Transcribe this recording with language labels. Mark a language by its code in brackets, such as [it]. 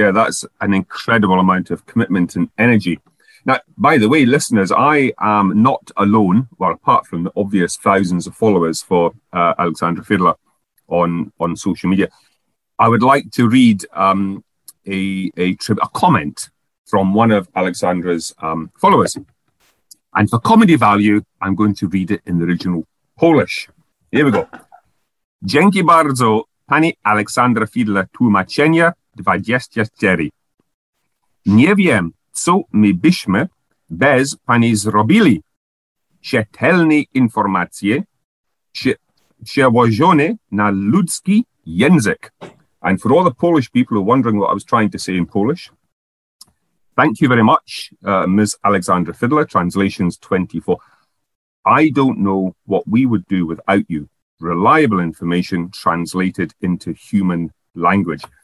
[en] Yeah, that's an incredible amount of commitment and energy. Now, by the way, listeners, I am not alone, well, apart from the obvious thousands of followers for Alexandra Fiedler on social media. I would like to read a comment from one of Alexandra's followers. And for comedy value, I'm going to read it in the original Polish. Here we go. [pl] Dzięki bardzo, pani Aleksandra Fiedler, tłumaczenia 24. Nie wiem, co my byśmy bez pani zrobili. Czytelne informacje przełożone na ludzki język. [en] And for all the Polish people who are wondering what I was trying to say in Polish, thank you very much, Ms. Aleksandra Fiedler, translations 24. I don't know what we would do without you. Reliable information translated into human language.